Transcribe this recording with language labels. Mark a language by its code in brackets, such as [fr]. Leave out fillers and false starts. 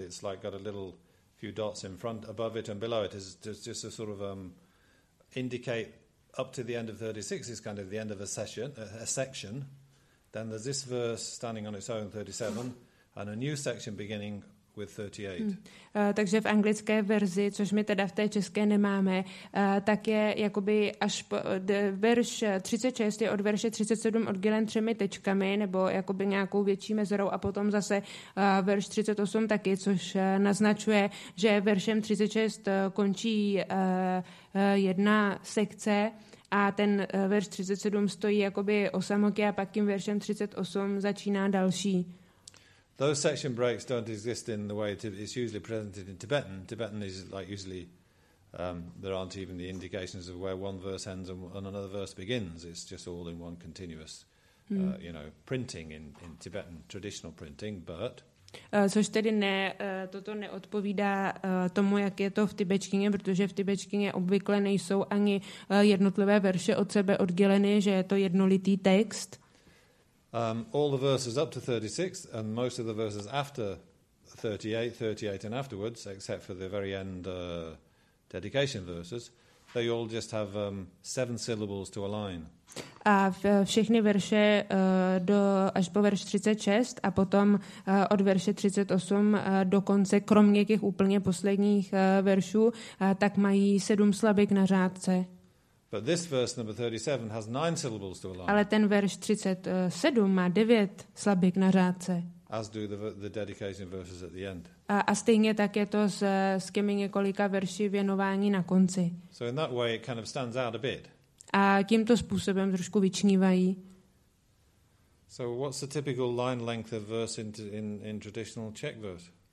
[en] It's like got a little few dots in front, above it and below it. It's just to sort of indicate up to the end of 36 is kind of the end of a session, a section. Then there's this verse standing on its own, 37, and a new section beginning with 38. [cs] Takže v anglické verzi, což my teda v té české nemáme, tak je jakoby až verš 36 je od verše 37 oddělen třemi tečkami nebo jakoby nějakou větší mezerou a potom zase verš 38 taky, což naznačuje, že veršem 36 končí jedna sekce a ten verš 37 stojí jakoby osamotě a pak tím veršem 38 začíná další. [en] Those section breaks don't exist in the way it's usually presented in Tibetan. Tibetan is like usually there aren't even the indications of where one verse ends and another verse begins. It's just all in one continuous, you know, printing in Tibetan traditional printing. But [cs] Což tedy ne, toto neodpovídá tomu, jak je to v tibetštině, protože v tibetštině obvykle nejsou ani jednotlivé verše od sebe odděleny, že je to jednolitý text. [en] All the verses up to 36 and most of the verses after 38 and afterwards, except for the very end dedication verses, they all just have seven syllables to a line. [cs] A všechny verše do až po verš 36 a potom od verše 38 do konce, kromě těch úplně posledních veršů, tak mají sedm slabik na řádce. [en] But this verse number 37 has nine syllables to a line. [cs] Ale ten verš 37 má devět slabik na řádce. [en] As do the dedication verses at the end. [cs] A stejně tak je to s těmi několika verši věnování na konci. [en] So in that way it kind of stands out a bit. [cs] A tímto způsobem trošku vyčnívají. [en] So what's the typical line length of verse in traditional Czech verse?